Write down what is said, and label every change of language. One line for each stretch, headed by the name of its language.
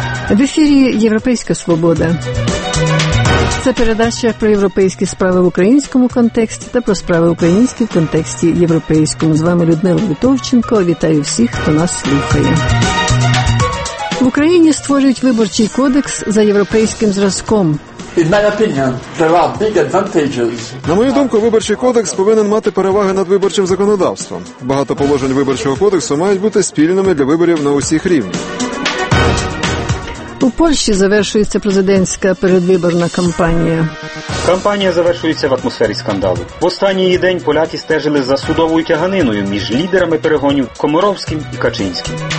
Ukrainian: В ефірі «Європейська свобода». Це передача про європейські справи в українському контексті та про справи українські в контексті європейському. З вами Людмила Вітовченко. Вітаю всіх, хто нас слухає. В Україні створюють виборчий кодекс за європейським зразком.
English: In my opinion, there are big advantages.
Ukrainian: На мою думку, виборчий кодекс повинен мати переваги над виборчим законодавством. Багато положень виборчого кодексу мають бути спільними для виборів на усіх рівнях. У Польщі завершується президентська передвиборна кампанія. Кампанія завершується в атмосфері скандалу. В останній її день поляки стежили за судовою тяганиною між лідерами перегонів Комаровським і Качинським.